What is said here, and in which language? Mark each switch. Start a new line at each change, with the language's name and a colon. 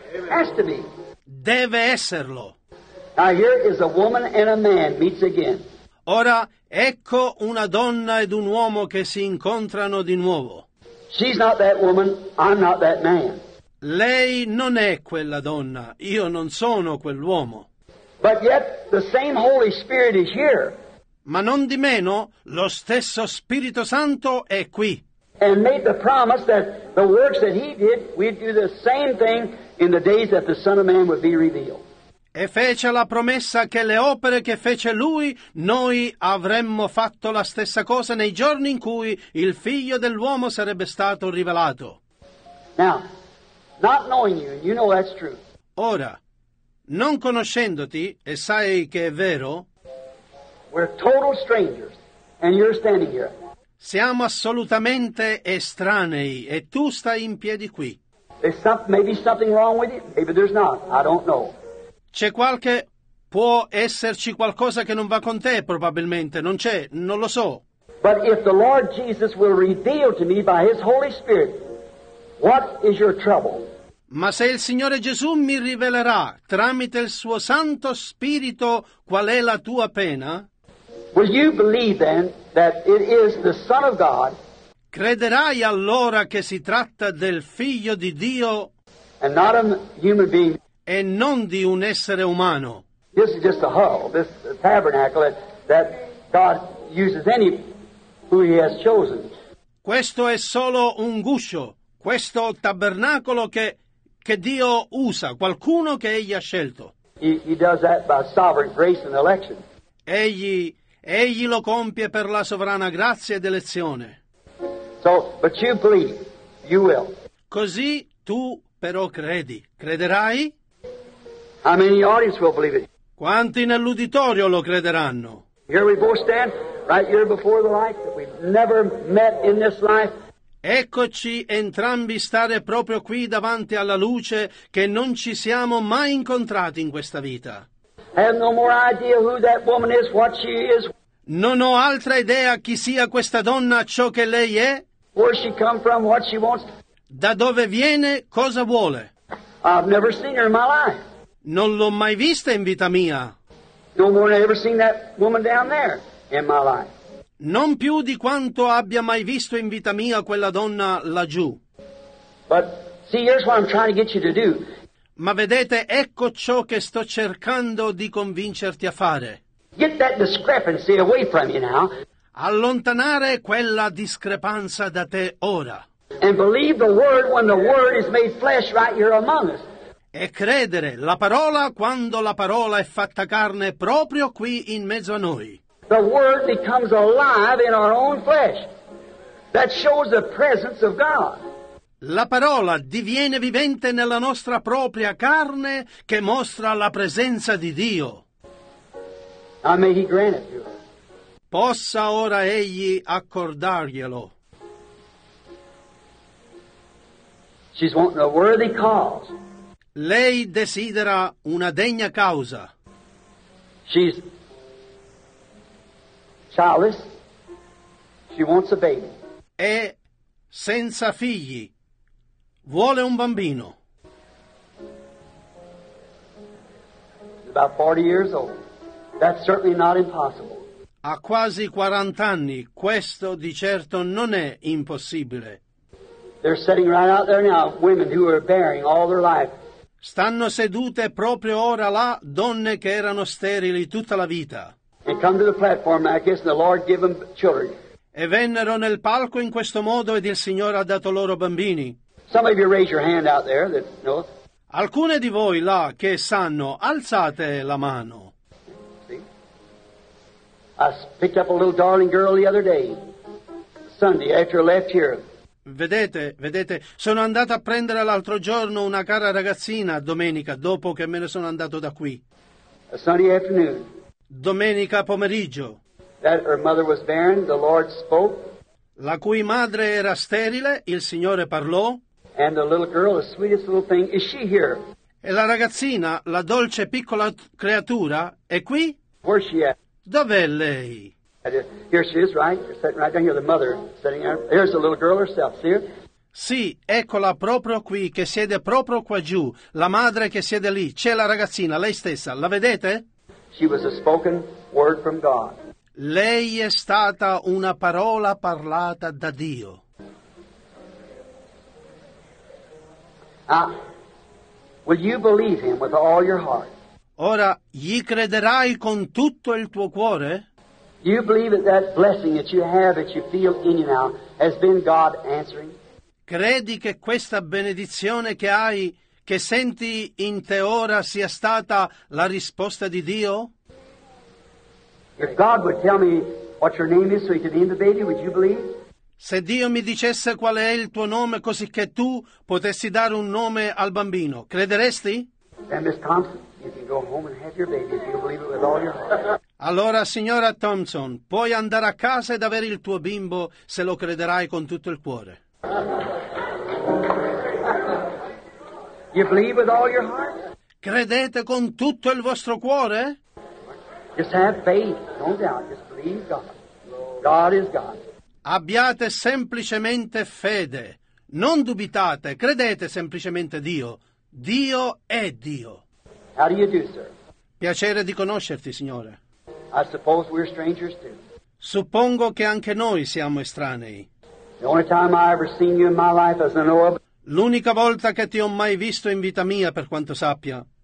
English: Has to be.
Italian: Deve esserlo.
English: Now here is a woman and a man meets again.
Italian: Ora ecco una donna ed un uomo che si incontrano di nuovo.
English: She's not that woman, I'm not that man.
Italian: Lei non è quella donna, io non sono quell'uomo.
English: But yet the same Holy Spirit is here.
Italian: Ma non di meno, lo stesso Spirito Santo è qui.
English: And made the promise that the works that he did, we'd do the same thing in the days that the Son of Man would be revealed.
Italian: E fece la promessa che le opere che fece lui, noi avremmo fatto la stessa cosa nei giorni in cui il Figlio dell'uomo sarebbe stato rivelato.
English: Now, not knowing you, you know that's true.
Italian: Ora, non conoscendoti, e sai che è vero,
English: we're total strangers, and you're standing here.
Italian: Siamo assolutamente estranei e tu stai in piedi qui.
English: Maybe something wrong with you. Maybe there's not. I don't know.
Italian: C'è qualche... può esserci qualcosa che non va con te, probabilmente. Non c'è, non lo so.
English: But if the Lord Jesus will reveal to me by His Holy Spirit, what is your trouble?
Italian: Ma se il Signore Gesù mi rivelerà tramite il suo Santo Spirito qual è la tua pena?
English: Will you believe then that it is the Son of God?
Italian: Crederai allora che si tratta del Figlio di Dio?
English: And not a human being.
Italian: E non di un essere umano.
English: This is just a hull, this tabernacle that God uses any who He has chosen.
Italian: Questo è solo un guscio, questo tabernacolo che Dio usa, qualcuno che Egli ha scelto.
English: He does that by sovereign grace and election.
Italian: Egli lo compie per la sovrana grazia ed elezione.
English: So, but you believe, you will.
Italian: Così tu però credi, crederai?
English: How many audience will believe it?
Italian: Quanti nell'uditorio lo crederanno?
English: Here we both stand, right here before the light that we've never met in this life.
Italian: Eccoci entrambi stare proprio qui davanti alla luce che non ci siamo mai incontrati in questa vita.
English: Have no more idea who that woman is, what she is.
Italian: Non ho altra idea chi sia questa donna, ciò che lei è.
English: Where she come from, what she wants.
Italian: Da dove viene, cosa vuole.
English: I've never seen her in my life.
Italian: Non l'ho mai vista in vita mia.
English: No more than I ever seen that woman down there in my life.
Italian: Non più di quanto abbia mai visto in vita mia quella donna laggiù.
English: But see, here's what I'm trying to get you to do.
Italian: Ma vedete, ecco ciò che sto cercando di convincerti a fare.
English: Get that discrepancy away from you now.
Italian: Allontanare quella discrepanza da te ora.
English: And believe the word when the word is made flesh right here among us.
Italian: E credere la parola quando la parola è fatta carne proprio qui in mezzo a noi.
English: The word becomes alive in our own flesh. That shows the presence of God.
Italian: La parola diviene vivente nella nostra propria carne che mostra la presenza di Dio.
English: Now may he grant it to you.
Italian: Possa ora egli accordarglielo.
English: She's wanting a worthy cause.
Italian: Lei desidera una degna causa.
English: She's childless. She wants a baby.
Italian: È senza figli. Vuole un bambino.
English: About 40 years old. That's certainly not impossible.
Italian: Ha quasi 40 anni. Questo di certo non è impossibile.
English: They're sitting right out there now, women who are bearing all their life.
Italian: Stanno sedute proprio ora là donne che erano sterili tutta la vita.
English: And come to the platform, I guess the Lord gave them children.
Italian: E vennero nel palco in questo modo ed il Signore ha dato loro bambini.
English: Some of you raise your hand out there that knows.
Italian: Alcune di voi là che sanno, alzate la mano.
English: See? I picked up a little darling girl the other day, Sunday after I left here.
Italian: Vedete, vedete, sono andato a prendere l'altro giorno una cara ragazzina domenica dopo che me ne sono andato da qui.
English: A Sunday afternoon.
Italian: Domenica pomeriggio.
English: That her mother was barren, the Lord spoke.
Italian: La cui madre era sterile, il Signore parlò.
English: And the little girl, the sweetest little thing, is she here?
Italian: E la ragazzina, la dolce piccola creatura, è qui?
English: Where's she at?
Italian: Dov'è lei?
English: Here she is, right? You're sitting right down here, the mother sitting there. Here's the little girl herself, see her?
Italian: Sì, eccola proprio qui, che siede proprio qua giù. La madre che siede lì, c'è la ragazzina, lei stessa, la vedete?
English: She was a spoken word from God.
Italian: Lei è stata una parola parlata da Dio.
English: Ah, will you believe him with all your heart?
Italian: Ora, gli crederai con tutto il tuo cuore?
English: You believe that blessing that you have, that you feel in you now, has been God answering?
Italian: Credi che questa benedizione che hai, che senti in te ora, sia stata la risposta di Dio?
English: If God would tell me what your name is so he could name the baby, would you believe?
Italian: Se Dio mi dicesse qual è il tuo nome così che tu potessi dare un nome al bambino, crederesti?
English: And Miss Thompson, you can go home and have your baby if you believe it with all your heart.
Italian: Allora, signora Thompson, puoi andare a casa ed avere il tuo bimbo se lo crederai con tutto il cuore.
English: You believe with all your heart?
Italian: Credete con tutto il vostro cuore?
English: Just have faith, no doubt. Just believe God. God is God.
Italian: Abbiate semplicemente fede. Non dubitate, credete semplicemente Dio. Dio è Dio.
English: How do you do, sir?
Italian: Piacere di conoscerti, signore.
English: I suppose we're strangers too.
Italian: Suppongo che anche noi siamo estranei.
English: The only time I ever seen you in my life as I know of.
Italian: L'unica volta che ti ho mai visto in vita mia, per quanto sappia.